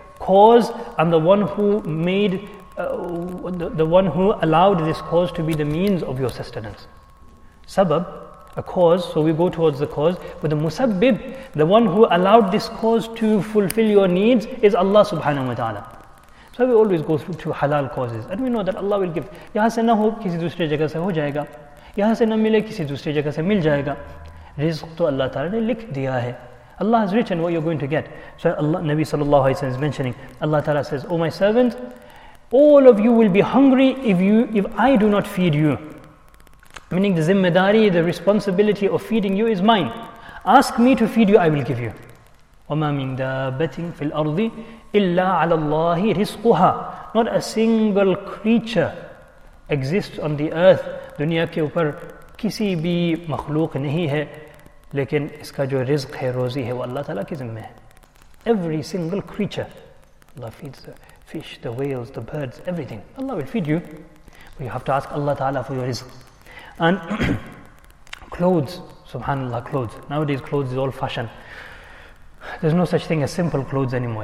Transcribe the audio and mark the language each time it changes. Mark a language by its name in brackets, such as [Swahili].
[English] Cause and the one who made, the one who allowed this cause to be the means of your sustenance. Sabab, a cause, so we go towards the cause. But the musabbib, the one who allowed this cause to fulfill your needs, is Allah subhanahu wa ta'ala. So we always go through to halal causes. And we know that Allah will give. [Urdu] یہاں سے نہ ہو، کسی دوسرے جگہ سے ہو جائے گا. یہاں سے نہ ملے، کسی دوسرے جگہ سے مل جائے گا. رزق تو اللہ تعالیٰ نے لکھ دیا ہے. [English] Allah has written what you're going to get. So Allah, Nabi sallallahu alayhi wa sallam is mentioning, Allah Ta'ala says, O my servant, all of you will be hungry if I do not feed you. Meaning the zimmedari, the responsibility of feeding you is mine. Ask me to feed you, I will give you. [Arabic] وَمَا مِنْ دَابَّةٍ فِي الْأَرْضِ إِلَّا عَلَى اللَّهِ رِزْقُهَا. [English] Not a single creature exists on the earth. [Urdu] دنیا کے اوپر کسی بھی مخلوق نہیں ہے. لیکن اس کا جو رزق ہے روزی ہے وہ اللہ تعالیٰ کی ذمہ ہے. [English] Every single creature, Allah feeds the fish, the whales, the birds, everything. Allah will feed you, but you have to ask Allah تعالیٰ for your رزق. And clothes, subhanAllah, clothes. Nowadays clothes is all fashion. There's no such thing as simple clothes anymore.